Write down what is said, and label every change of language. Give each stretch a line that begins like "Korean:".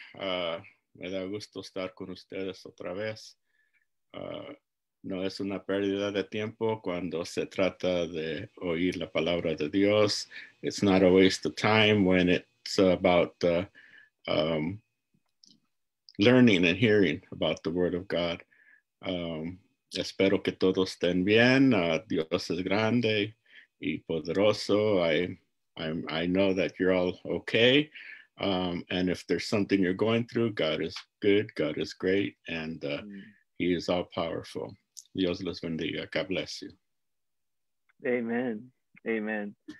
Spanish: Me da gusto estar con ustedes otra vez. No es una pérdida de tiempo cuando se trata de oír la palabra de Dios.
English: It's not a waste of time when it's about learning and hearing about the Word of God.
Spanish: Espero que todos estén bien. Dios es grande y poderoso.
English: I know that you're all okay. And if there's something you're going through, God is good, God is great, and He is all powerful.
Spanish: Dios los bendiga.
English: God bless you. Amen. Amen.